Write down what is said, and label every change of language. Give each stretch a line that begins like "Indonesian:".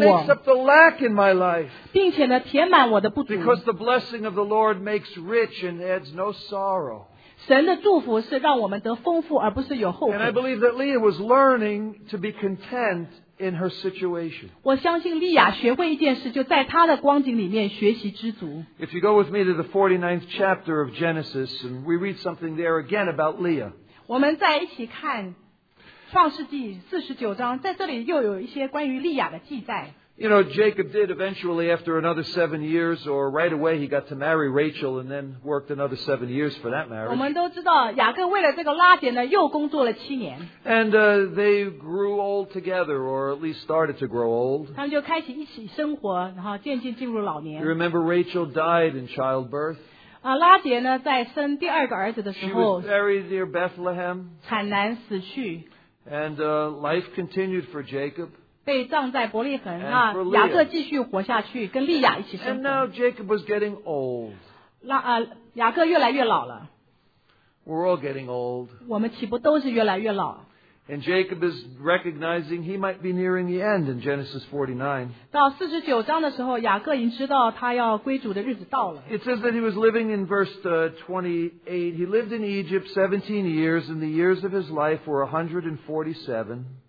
English: And he makes up the lack in my life.
Chinese: 并且呢，填满我的不足。
English: Because the blessing of the Lord makes rich and adds no sorrow.
Chinese: 神的祝福是让我们得丰富，而不是有后悔。
English: And I believe that Leah was learning to be content in her situation.
Chinese: 我相信利亚学会一件事，就在她的光景里面学习知足。
English: If you go with me to the 49th chapter of Genesis, and we read something there again about Leah.
Chinese: 我们再一起看创世纪49章，在这里又有一些关于利亚的记载。
English: You know, Jacob did eventually, after another 7 years, or right away, he got to marry Rachel and then worked another 7 years for that marriage.
Chinese: 我们都知道雅各为了这个拉结呢又工作了七年。
English: And they grew old together, or at least started to grow old.
Chinese: 他们就开始一起生活，然后渐渐进入老年。
English: You remember Rachel died in childbirth?
Chinese: 拉结呢在生第二个儿子的时候。
English: She was buried near Bethlehem.
Chinese: 惨难死去。
English: And life continued for Jacob.
Chinese: 被葬在伯利恒，那雅各继续活下去，跟利亚一起生活。
English: And now Jacob was getting old.
Chinese: 雅各越来越老了。
English: We're all getting old.
Chinese: 我们岂不都是越来越老？
English: And Jacob is recognizing he might be nearing the end in Genesis 49.
Chinese: 到四十九章的时候，雅各已经知道他要归主的日子到了。
English: It says that he was living in verse 28. He lived in Egypt 17 years, and the years of his life were 147.